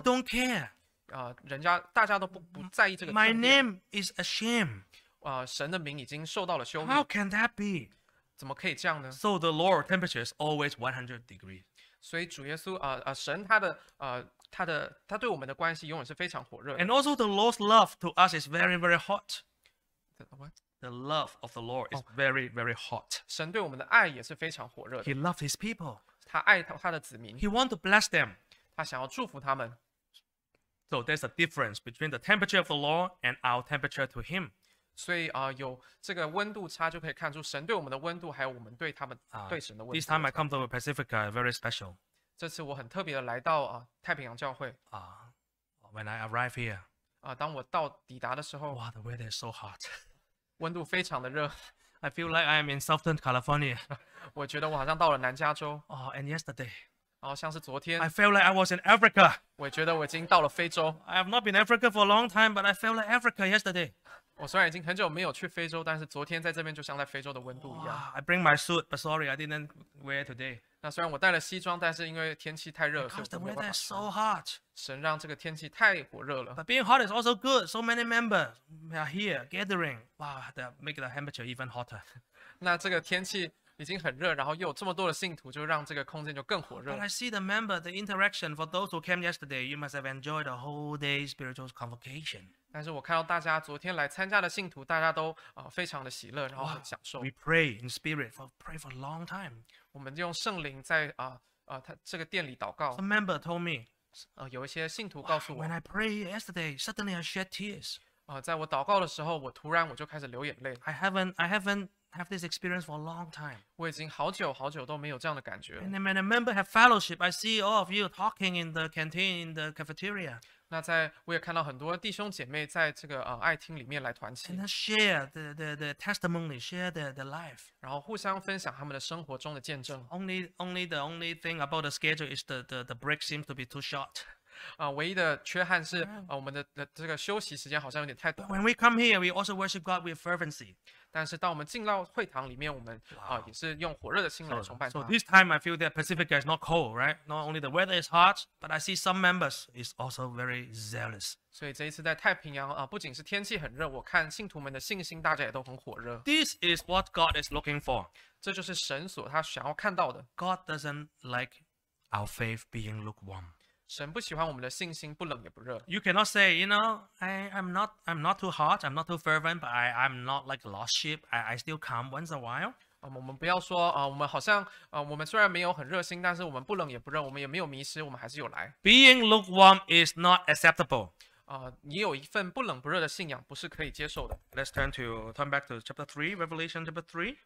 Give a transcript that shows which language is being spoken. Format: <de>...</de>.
<en>People don't care.</en> <zh>大家都不在意这个</zh> <en>My name is a shame.</en> <zh>神的名已经受到了羞辱</zh> <en>How can that be?</en> <zh>怎么可以这样呢</zh> <en>So the Lord's temperature is always 100 degrees.</en> <zh>所以主耶稣神他对我们的关系永远是非常火热</zh> <en>And also the Lord's love to us is very, very hot. What? The love of the Lord is very, very hot.</en> <zh>神对我们的爱也是非常火热的。</zh> <en>He loves His people.</en> <zh>他爱他的子民。</zh> <en>He wants to bless them.</en> <zh>他想要祝福他们。</zh> <en>So there's a difference between the temperature of the Lord and our temperature to Him.</en> <zh>所以有这个温度差就可以看出神对我们的温度还有我们对他们对神的温度。</zh> <en>This time I come to Pacifica, very special.</en> <zh>这次我很特别的来到太平洋教会。</zh> <en>When I arrive here.</en> <zh>当我到抵达的时候。</zh> <en>Wow, the weather is so hot.</en> <zh>温度非常的热</zh> <en>I feel like I am in Southern California.</en> <zh>我觉得我好像到了南加州</zh> <en>Oh, and yesterday.</en> <zh>像是昨天</zh> <en>I feel like I was in Africa.</en> <zh>我觉得我已经到了非洲</zh> <en>I have not been Africa for a long time, but I feel like Africa yesterday.</en> <zh>我虽然已经很久没有去非洲，但是昨天在这边就像在非洲的温度一样</zh> <en>I bring my suit, but sorry, I didn't wear today.</en> <zh>那虽然我带了西装，但是因为天气太热，</zh> <en>Because the weather is so hot.</en> <zh>神让这个天气太火热了。</zh> <en>But being hot is also good. So many members are here gathering. Wow, that make the temperature even hotter.</en> <zh>那这个天气已经很热，然后又有这么多的信徒，就让这个空间就更火热。</zh> <en>But I see the member, the interaction for those who came yesterday. You must have enjoyed the whole day spiritual convocation.</en> <zh>但是我看到大家昨天来参加的信徒，大家都非常的喜乐，然后很享受。</zh> <en>Wow, we pray in spirit for pray for a long time.</en> <zh>我们用圣灵在他这个殿里祷告。</zh> <en>A member told me,</en> <zh>有一些信徒告诉我</zh> <en>，When I pray yesterday, suddenly I shed tears.</en> <zh>在我祷告的时候，我突然我就开始流眼泪。</zh> <en>I haven't have this experience for a long time.</en> <zh>我已经好久好久都没有这样的感觉。</zh> <en>And when a member have fellowship, I see all of you talking in the canteen, in the cafeteria.</en> <zh>那在我也看到很多弟兄姐妹在这个爱厅里面来团契。</zh> <en>And then share the testimony, share the life.</en> <zh>然后互相分享他们的生活中的见证。</zh> <en>Only thing about the schedule is the break seems to be too short.</en> <zh>唯一的缺憾是我们的这个休息时间好像有点太短。</zh> <en>But when we come here, we also worship God with fervency.</en> <zh>但是当我们进到会堂里面，我们也是用火热的心来崇拜他。</zh> <en>So this time I feel that Pacifica is not cold, right? Not only the weather is hot, but I see some members is also very zealous.</en> <zh>所以这一次在太平洋不仅是天气很热，我看信徒们的信心大家也都很火热。</zh> <en>This is what God is looking for.</en> <zh>这就是神所他想要看到的。</zh> <en>God doesn't like our faith being lukewarm.</en> <zh>神不喜欢我们的信心不冷也不热。</zh> <en>You cannot say, you know, I'm not too hot, I'm not too fervent, but I'm not like lost sheep. I still come once a while.</en> <zh>我们不要说我们好像我们虽然没有很热心，但是我们不冷也不热，我们也没有迷失，我们还是有来。</zh> <en>Being lukewarm is not acceptable.</en> <zh>你有一份不冷不热的信仰不是可以接受的。</zh> <en>Let's turn back to chapter 3, Revelation chapter 3.</en>